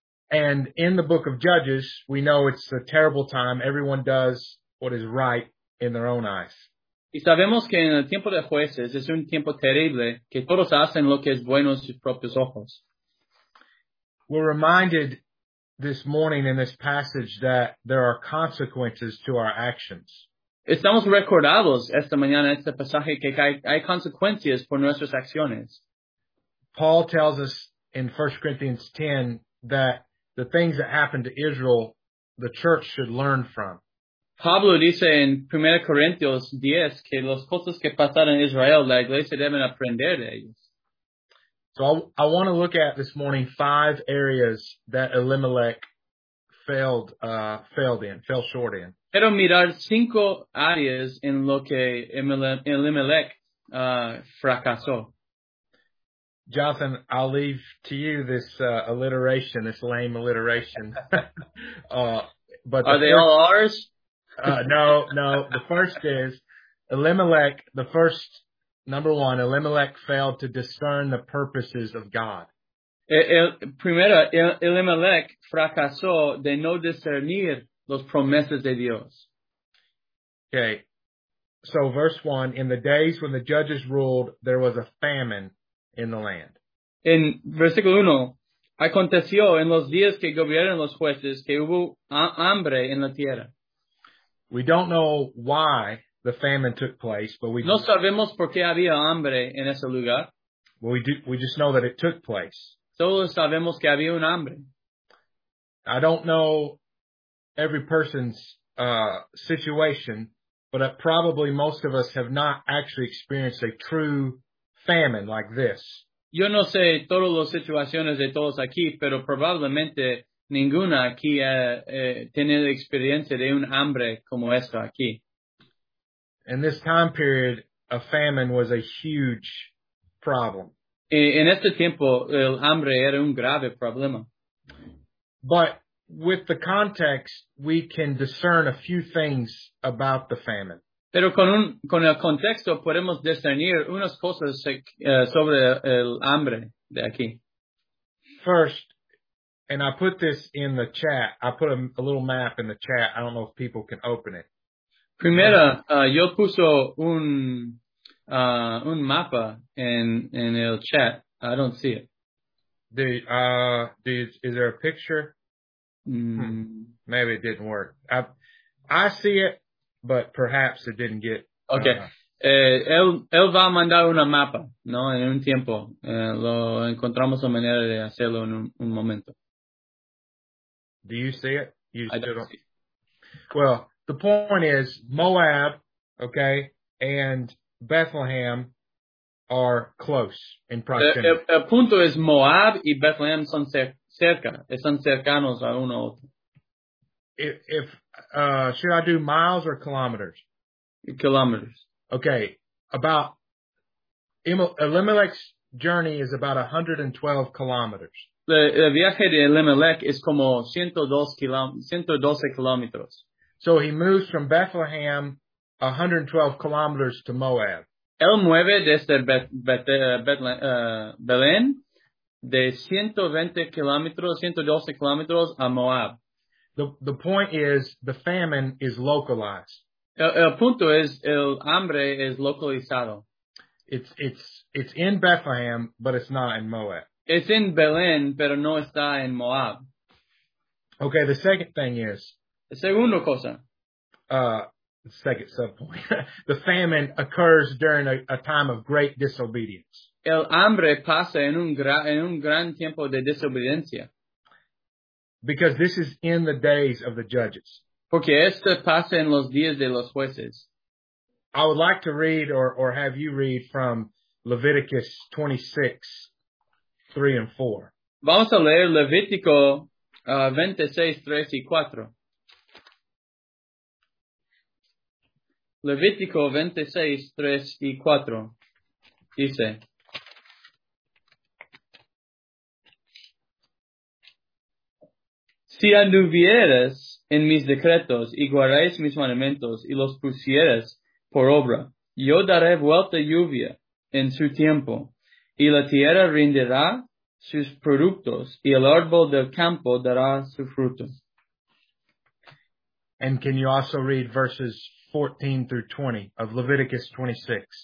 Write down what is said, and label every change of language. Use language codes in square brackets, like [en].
[en] And in the book of Judges, we know it's a terrible time. Everyone does what is right in their own eyes. [es] Y sabemos que en el tiempo de jueces es un tiempo terrible, que todos hacen lo que es bueno en sus propios ojos. [en] We're reminded this morning in this passage that there are consequences to our actions. [es] Estamos recordados esta mañana en este pasaje que hay consecuencias por nuestras acciones. [en] Paul tells us in 1 Corinthians 10 that the things that happened to Israel, the church should learn from. [es] Pablo dice en 1 Corintios 10 que las cosas que pasaron en Israel, la iglesia deben aprender de ellos. [en] So I want to look at this morning five areas that Elimelech fell short in. [es] Quiero mirar cinco áreas en lo que Elimelech fracasó. [en] Jonathan, I'll leave to you this alliteration, this lame alliteration. Are they all ours? No. The first is Elimelech, Elimelech failed to discern the purposes of God. [es] Elimelech fracasó de no discernir los promesas de Dios. [en] Okay. So verse 1, in the days when the judges ruled, there was a famine in the land. [es] En versículo 1, aconteció en los días que gobiernan los jueces que hubo hambre en la tierra. [en] We don't know why the famine took place, but [es] no sabemos por qué había hambre en ese lugar. [en] Well, we just know that it took place. [es] Solo sabemos que había un hambre. [en] I don't know every person's situation, but probably most of us have not actually experienced a true famine like this. [es] Yo no sé todas las situaciones de todos aquí, pero probablemente ninguna aquí ha tenido experiencia de un hambre como esta aquí. [en] In this time period, a famine was a huge problem. [es] En este tiempo, el hambre era un grave problema. [en] But with the context, we can discern a few things about the famine. [es] Pero con el contexto podemos discernir unas cosas sobre el hambre de aquí. [en] First, and I put this in the chat. I put a little map in the chat. I don't know if people can open it. [es] Primera, yo puso un mapa en el chat. [en] I don't see it. Is there a picture? Maybe it didn't work. I see it, but perhaps it didn't get. [es] Okay. Él va a mandar una mapa, ¿no? En un tiempo. Lo encontramos una manera de hacerlo en un momento. [en] Do you see it? I don't see it. Well, the point is Moab, okay, and Bethlehem are close in proximity. [es] El punto es Moab y Bethlehem son cerca, están cercanos a uno otro. [en] Should I do miles or kilometers? Kilometers. Okay, about Elimelech's journey is about 112 kilometers. [es] El viaje de Elimelech es como 112 kilómetros. [en] So he moves from Bethlehem 112 kilometers to Moab. [es] Él mueve desde Belén de 120 kilómetros, 112 kilómetros a Moab. [en] The point is the famine is localized. [es] El punto es el hambre es localizado. [en] It's in Bethlehem, but it's not in Moab. It's in [es] Belén, pero no está en Moab. [en] Okay, the second thing is. [es] Segundo cosa. [en] Second subpoint. The famine occurs during a time of great disobedience. [es] El hambre pasa en un gran tiempo de desobediencia. [en] Because this is in the days of the judges. [es] Porque esto pasa en los días de los jueces. [en] I would like to read or have you read from Leviticus 26:3-4. [es] Vamos a leer Levítico 26:3-4. Levítico 26:3-4 dice: Si anduvieres en mis decretos y guardares mis mandamientos y los pusieres por obra, yo daré vuelta lluvia en su tiempo, y la tierra rindirá sus productos, y el árbol del campo dará su fruto. [en] And can you also read verses 14 through 20 of Leviticus 26?